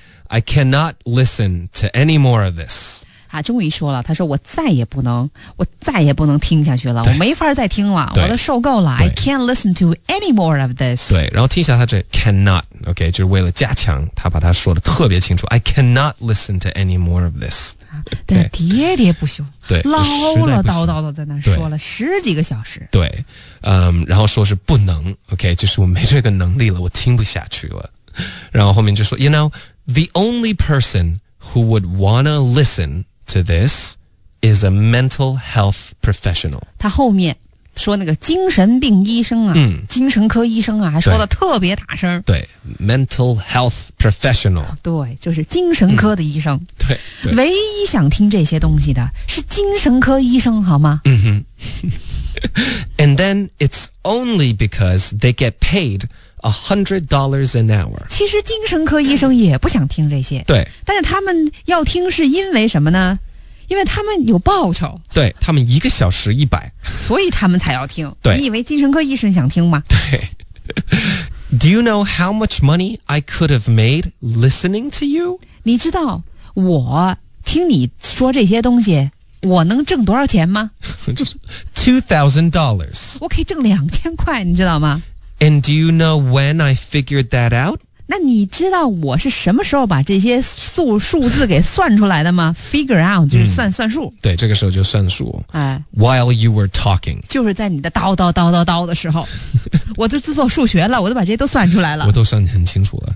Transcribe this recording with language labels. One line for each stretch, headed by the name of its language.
English: I cannot listen to any more of this.
Chinese: 他终于说了，他说我再也不能听下去了，我没法再听了，我都受够了。
English: I can't listen to any more of this.
Chinese: 对，然后听一下他这 cannot, OK, 就是为了加强，他把他说的特别清楚。
English: I cannot listen to any more of this.
Chinese: 但喋喋不休，对，唠唠叨叨的在那说了十几个小时。对，然后说是不能 ，OK, 就是我没这个能力了，我听不下去了。然后后面就说
English: ，You know, the only person who would wanna listen to this is a mental health professional.
Chinese: 他后面说那个精神病医生啊，精神科医生啊，还说的特别大声。
English: 对 ，mental health professional。
Chinese: 对，就是精神科的医生。对，唯一想听这些东西的是精神科医生，好吗？嗯哼。
English: And then it's only because they get paid $100 an hour.
Chinese: 其实精神科医生也不想听这些。对。但是他们要听是因为什么呢？因为他们有报酬，对，他们一个小时100，所以他们才要听。对，你以为精神科医生想听吗？对。
English: Do you know how much money I could have made listening to you?
Chinese: 你知道我听你说这些东西我能挣多少钱吗？
English: $2,000.
Chinese: 我可以挣2000块，你知道吗？
English: And do you know when I figured that out?
Chinese: 那你知道我是什么时候把这些数字给算出来的吗？ Figure out 就是算数。对，这个时候就算数。哎，
English: While you were talking,
Chinese: 就是在你的叨叨叨叨叨的时候，我就自做数学了，我都把这些都算出来了。我都算很清楚了。